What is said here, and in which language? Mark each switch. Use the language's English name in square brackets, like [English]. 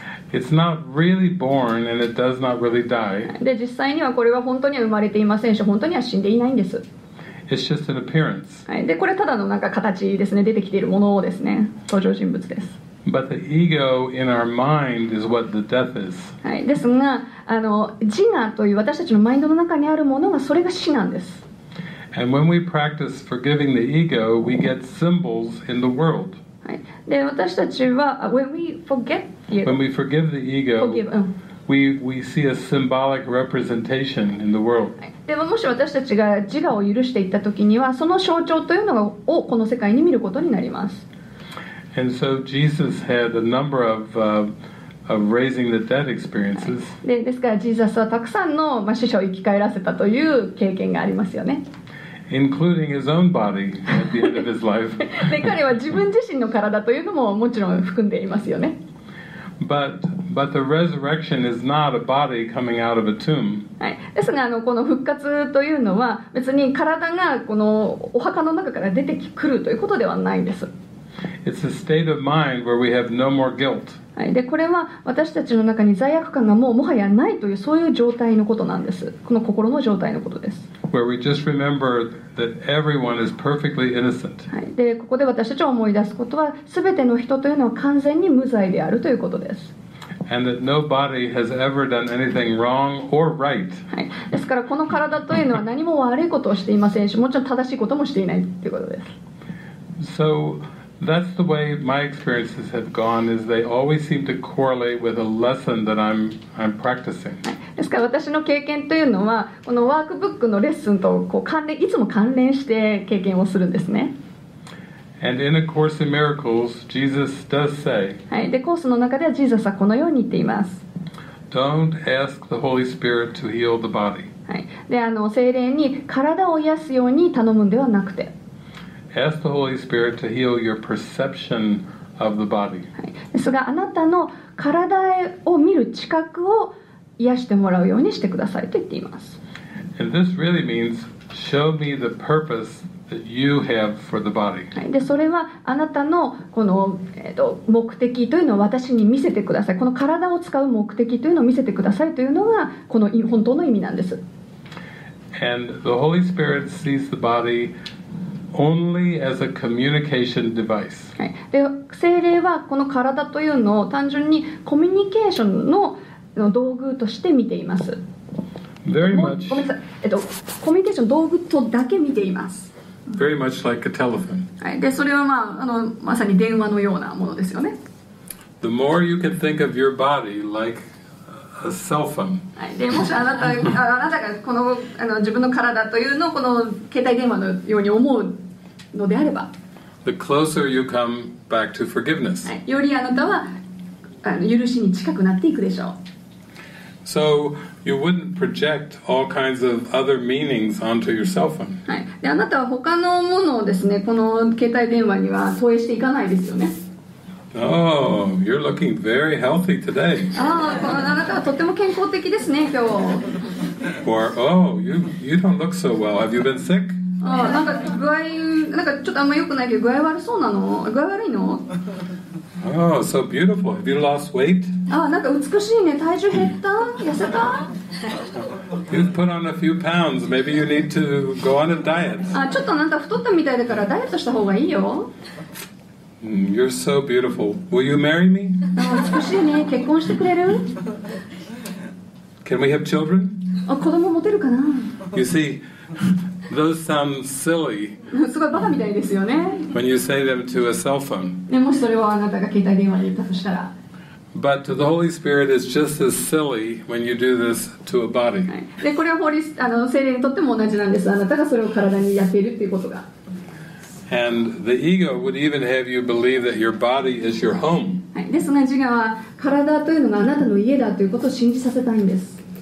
[English] It's not really born and it does not really die. [Japanese] で、実際にはこれは本当には生まれていませんし、本当には死んでいないんです。 [English] It's just an appearance. [Japanese] で、これただのなんか形ですね、出てきているものですね、登場人物です。 [English] But the ego in our mind is what the death is. [Japanese] はい、ですが、自我という私たちのマインドの中にあるものがそれが死なんです。 [English] And when we practice forgiving the ego, we get symbols in the world. When we forgive the ego, we see a symbolic representation in the world. [Japanese] でももし私たちが自我を許していった時にはその象徴というのをこの世界に見ることになります。 [English] And so Jesus had a number of, of raising the dead experiences. [Japanese] で、ですからジーザスはたくさんの、まあ、死者を生き返らせたという経験がありますよね。 [English] Including his own body at the end of his life. [Japanese] で、彼は自分自身の体というのももちろん含んでいますよね。 [English] But the resurrection is not a body coming out of a tomb. [Japanese] はい。ですが、この復活というのは別に体がこのお墓の中から出てくるということではないんです。 [English] It's a state of mind where we have no more guilt. [Japanese] はい。で、これは私たちの中に罪悪感がもうもはやないというそういう状態のことなんです。この心の状態のことです。 [English] Where we just remember that everyone is perfectly innocent. [Japanese] はい。で、ここで私たちを思い出すことは、すべての人というのは完全に無罪であるということです。 [English] And that nobody has ever done anything wrong or right. [Japanese] はい。ですからこの体というのは何も悪いことをしていませんし、もちろん正しいこともしていないということです。 [English] So that's the way my experiences have gone. Is they always seem to correlate with a lesson that I'm practicing. [Japanese] ですから私の経験というのはこのワークブックのレッスンとこう関連いつも関連して経験をするんですね。 [English] And in A Course in Miracles, Jesus does say. [Japanese] はい。で、コースの中ではジーザスはこのように言っています。 [English] Don't ask the Holy Spirit to heal the body. [Japanese] はい。で、聖霊に体を癒すように頼むんではなくて。 [English] Ask the Holy Spirit to heal your perception of the body. [Japanese] はい。ですが、あなたの体を見る知覚を癒してもらうようにしてくださいと言っています。 [English] And this really means, show me the purpose. That you have for the body. [Japanese] でそれはあなたのこの、目的というのを私に見せてください。この体を使う目的というのを見せてくださいというのがこの本当の意味なんです。 [English] And the Holy Spirit sees the body only as a communication device. [Japanese] はい。で聖霊はこの体というのを単純にコミュニケーションの、道具として見ています。 [English] Very much. [Japanese] ごめんなさい。コミュニケーション道具とだけ見ています。 [English] Very much like a telephone. [Japanese] はい、でそれは、まあ、まさに電話のようなものですよね。 [English] The more you can think of your body like a cell phone. [Japanese] はい、でもしあなたがこの、自分の体というのをこの携帯電話のように思うのであれば、 [English] The closer you come back to forgiveness. [Japanese] はい、よりあなたは許しに近くなっていくでしょう。 [English] So you wouldn't project all kinds of other meanings onto your cell phone. [Japanese] はい。で、あなたは他のものをですね、この携帯電話には投影していかないですよね。 [English] Oh, you're looking very healthy today. [Japanese] あなたはとても健康的ですね、今日。 [English] Or, oh, you don't look so well. Have you been sick? [Japanese] なんかちょっとあんま良くないけど、具合悪そうなの？具合悪いの？ [English] Oh, so beautiful. Have you lost weight? [Japanese] なんか美しいね。体重減った？痩せた？ [English] You've put on a few pounds. Maybe you need to go on a diet. [Japanese] ちょっとなんか太ったみたいだからダイエットした方がいいよ。 [English] You're so beautiful. Will you marry me? [Japanese] 美しいね。結婚してくれる？ [English] Can we have children? [Japanese] 子供持てるかな？ [English] You see... Those sound silly. [Japanese] すごいバカみたいですよね。 [English] When you say them to a cell phone. [Japanese] ね、もしそれをあなたが携帯電話で言ったとしたら。 [English] But the Holy Spirit is just as silly when you do this to a body. [Japanese] はい。で、これは聖霊にとっても同じなんです。あなたがそれを体にやっているっていうことが。 [English] And the ego would even have you believe that your body is your home. [Japanese] はい。ですが、自我は体というのがあなたの家だということを信じさせたいんです。